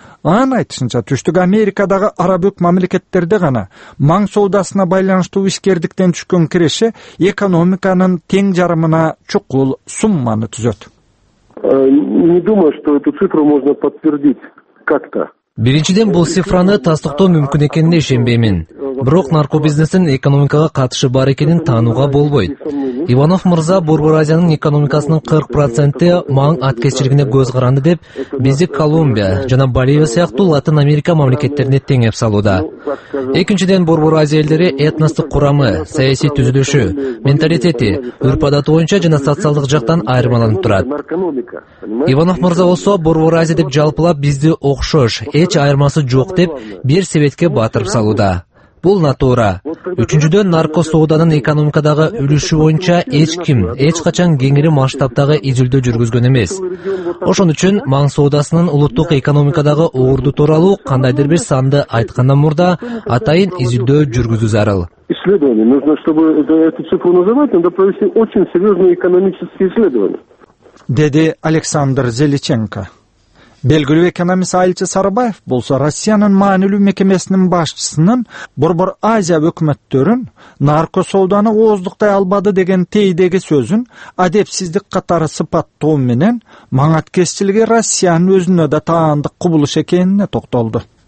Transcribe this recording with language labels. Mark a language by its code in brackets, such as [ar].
[ky] Анын айтышынча, Түштүк Америкадагы арабык мамлекеттерде гана маң соодасына байланыштуу ишкердиктен түшкөн киреше экономиканын тең жарымына чукул сумманы түзөт. [ru] Не думаю, что эту цифру можно подтвердить как-то. [ky] Биринчиден бул цифраны тастыктоо мүмкүн экенине ишенбеймин. Бирок наркобизнестин экономикага катышы бар экенин таанууга болбойт. Иванов мырза Борбор Азиянын экономикасынын 40% маң аткезчилигине көз каранды деп, бизди Колумбия жана Боливия сыяктуу Латын Америка мамлекеттерине теңеп салууда. Экинчиден Борбор Азия элдери этностук курамы, саясий түзүлүшү, менталитети, өрп адаты боюнча жана социалдык жактан айырмаланып турат. Иванов мырза болсо Борбор Азия деп жалпылап бизди окшош, эч айырмасы жок деп бир себетке батырып салууда. Бул натура. Үчүнчүдөн, нарко сооданын экономикадагы үлүшү боюнча эч ким эч качан кеңири масштабтагы изилдөө жүргүзгөн эмес. Ошон үчүн маң соодасынын улуттук экономикадагы оорду тууралуу кандайдыр бир санды айткандан мурда атайын изилдөө жүргүзүү зарыл. [ru] Исследование нужно, чтобы эту цифру называть, надо провести очень серьезные экономические исследования. [ky] Деди Александр Зеличенко. Белгилүү экономист Айылчы Сарбаев болсо Россиянын маанилүү мекемесинин башчысынын Борбор Азия өкмөттөрүн нарко сооданы ооздуктай албады деген тейдеги сөзүн адепсиздик катары сыпаттоо менен маң аткезчилиги Россиянын өзүнө да таандык кубулуш экенине токтолду.